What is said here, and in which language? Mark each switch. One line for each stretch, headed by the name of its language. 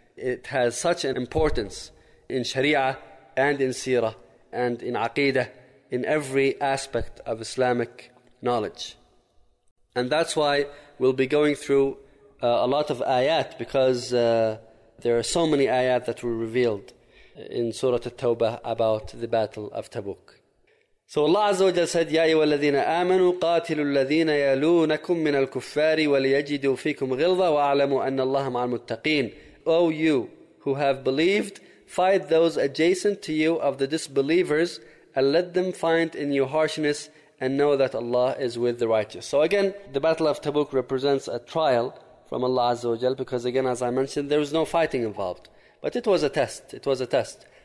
English: It has such an importance in Sharia and in Seerah and in Aqidah, in every aspect of Islamic knowledge. And that's why we'll be going through a lot of ayat, because there are so many ayat that were revealed in Surah At-Tawbah about the Battle of Tabuk. So Allah Azza wa Jalla said,
Arabic: يَا أَيُّهَا الَّذِينَ آمَنُوا قَاتِلُوا الَّذِينَ يَلُونَكُمْ مِنَ الْكُفَّارِ وَلِيَجِدُوا فِيكُمْ غِلْظَةً وَأَعْلَمُوا أَنَّ اللَّهَ مَعَ الْمُتَّقِينَ.
English: O you who have believed, fight those adjacent to you of the disbelievers, and let them find in you harshness, and know that Allah is with the righteous. So again, the Battle of Tabuk represents a trial from Allah Azza wa Jalla, because again, as I mentioned, there was no fighting involved. But it was a test. It was a test.